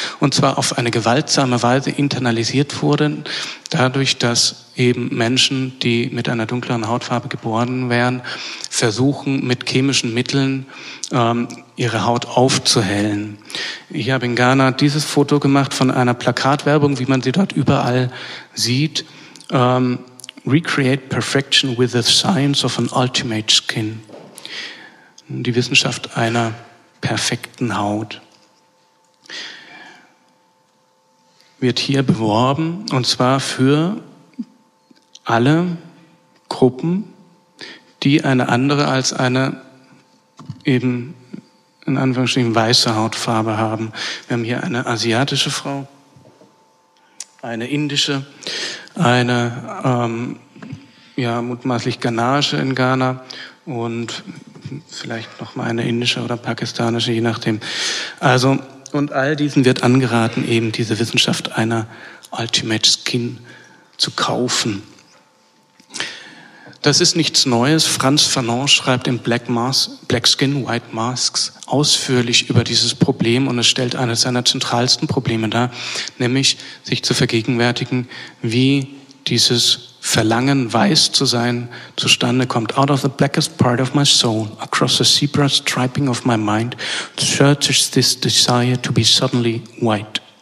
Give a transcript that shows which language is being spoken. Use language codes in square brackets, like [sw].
[de] Und zwar auf eine gewaltsame Weise internalisiert wurden, dadurch, dass eben Menschen, die mit einer dunkleren Hautfarbe geboren wären, versuchen, mit chemischen Mitteln ihre Haut aufzuhellen. Ich habe in Ghana dieses Foto gemacht von einer Plakatwerbung, wie man sie dort überall sieht. [en] Recreate perfection with the science of an ultimate skin. [de] Die Wissenschaft einer perfekten Haut wird hier beworben, und zwar für alle Gruppen, die eine andere als eine eben in Anführungsstrichen weiße Hautfarbe haben. Wir haben hier eine asiatische Frau, eine indische, eine mutmaßlich Ghanaische in Ghana und vielleicht noch mal eine indische oder pakistanische, je nachdem. Also, und all diesen wird angeraten, eben diese Wissenschaft einer Ultimate Skin zu kaufen. Das ist nichts Neues. Franz Fanon schreibt in Black Skin, White Masks ausführlich über dieses Problem und es stellt eines seiner zentralsten Probleme dar, nämlich sich zu vergegenwärtigen, wie dieses Verlangen, weiß zu sein, zustande kommt. [en] Out of the blackest part of my soul, across the zebra striping of my mind, surges this desire to be suddenly white.